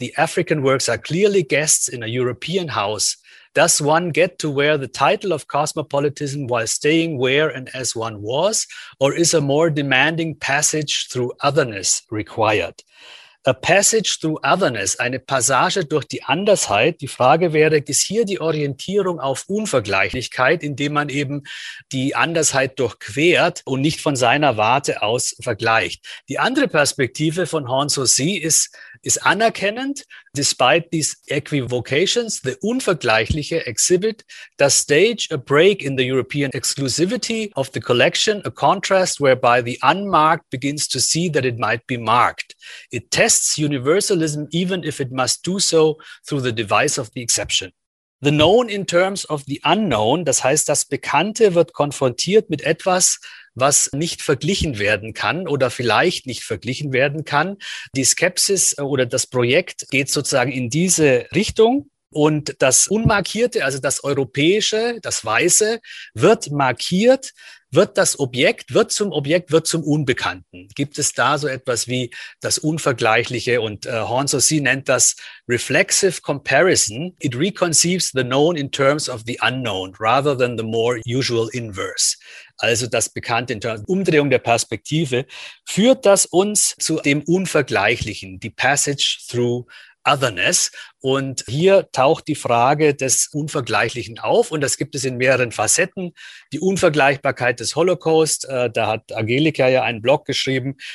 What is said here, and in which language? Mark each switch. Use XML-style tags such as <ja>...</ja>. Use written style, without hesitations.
<en>The African works are clearly guests in a European house. Does one get to wear the title of cosmopolitanism while staying where and as one was? Or is a more demanding passage through otherness required? A passage through otherness,</en> <de>eine Passage durch die Andersheit. Die Frage wäre, ist hier die Orientierung auf Unvergleichlichkeit, indem man eben die Andersheit durchquert und nicht von seiner Warte aus vergleicht? Die andere Perspektive von Horn Saussy ist ist anerkennend,</de> <en>despite these equivocations, the unvergleichliche exhibit does stage a break in the European exclusivity of the collection, a contrast whereby the unmarked begins to see that it might be marked. It tests universalism even if it must do so through the device of the exception. The known in terms of the unknown,</en> <de>das heißt, das Bekannte wird konfrontiert mit etwas, was nicht verglichen werden kann oder vielleicht nicht verglichen werden kann. Die Skepsis oder das Projekt geht sozusagen in diese Richtung. Und das Unmarkierte, also das Europäische, das Weiße, wird markiert, wird das Objekt, wird zum Unbekannten. Gibt es da so etwas wie das Unvergleichliche? Und Hornsouci nennt das</de> <en>reflexive comparison. It reconceives the known in terms of the unknown rather than the more usual inverse.</en> <de>Also das Bekannte</de> <en>in terms of</en> <de>Umdrehung der Perspektive. Führt das uns zu dem Unvergleichlichen, die</de> <en>passage through Otherness.</en> <de>Und hier taucht die Frage des Unvergleichlichen auf und das gibt es in mehreren Facetten. Die Unvergleichbarkeit des Holocaust, da hat Angelika ja einen Blog geschrieben.</de>